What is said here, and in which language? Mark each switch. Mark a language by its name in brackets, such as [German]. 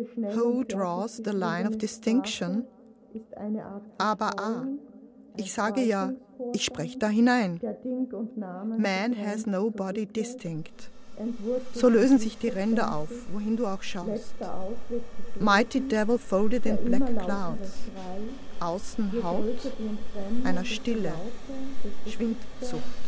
[English] Who draws the line of distinction? [German] Aber A. Ich sage ja, ich spreche da hinein. [English] Man has no body distinct. [German] So lösen sich die Ränder auf, wohin du auch schaust. [English] Mighty devil folded in black clouds. [German] Außen Haut einer Stille. Schwindsucht.